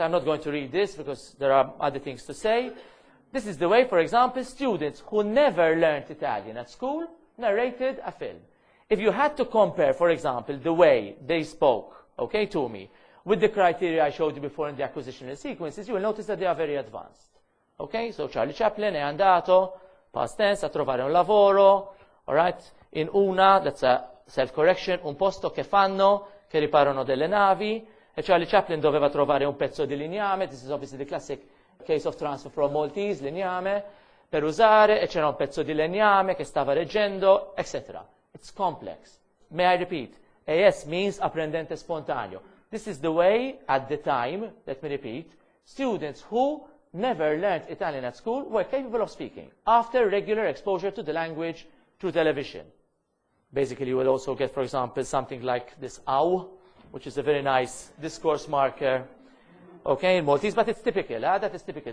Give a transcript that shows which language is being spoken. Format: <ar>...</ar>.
<en>I'm not going to read this because there are other things to say. This is the way, for example, students who never learned Italian at school narrated a film. If you had to compare, for example, the way they spoke, okay, to me, with the criteria I showed you before in the acquisitional sequences, you will notice that they are very advanced. Okay, so</en> <it>Charlie Chaplin, è andato,</it> <en>past tense,</en> <it>a trovare un lavoro,</it> <en>all right,</en> <it>in una,</it> <en>that's a self-correction,</en> <it>un posto che fanno, che riparano delle navi, e Charlie Chaplin doveva trovare un pezzo di legname,</it> <en>this is obviously the classic case of transfer from Maltese,</en> <it>legname, per usare, e c'era un pezzo di legname che stava reggendo,</it> <en>etc. It's complex. May I repeat? AS means apprendente spontaneo. This is the way, at the time, let me repeat, students who never learned Italian at school were capable of speaking after regular exposure to the language through television. Basically, you will also get, for example, something like this AU, which is a very nice discourse marker, okay, in Maltese, but it's typical, that is typical.</en>